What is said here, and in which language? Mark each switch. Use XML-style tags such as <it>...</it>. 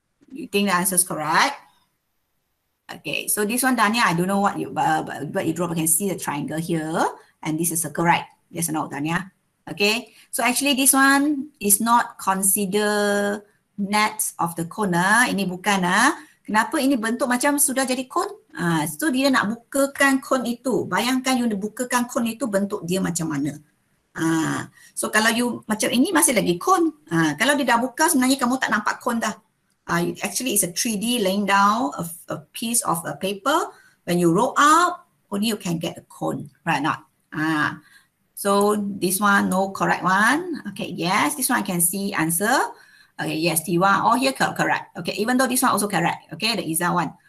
<en>You think the answer is correct? Okay, so this one, Dania, I don't know what you but you draw, but you can see the triangle here, and this is a correct. Yes or no, Dania? Okay, so actually this one is not consider net of the cone.</en> <ms>Ini bukan. Kenapa ini bentuk macam sudah jadi cone? So dia nak bukakan cone itu. Bayangkan you bukakan cone itu bentuk dia macam mana. So kalau you macam ini masih lagi cone. Kalau dia dah buka sebenarnya kamu tak nampak cone dah.</ms> <en>Actually it's a 3D laying down a piece of a paper. When you roll up, only you can get a cone, right not? So this one, no correct one. Okay, yes, this one I can see answer. Okay, yes, Tiwa, all here correct. Okay, even though this one also correct. Okay, the Iza one.</en>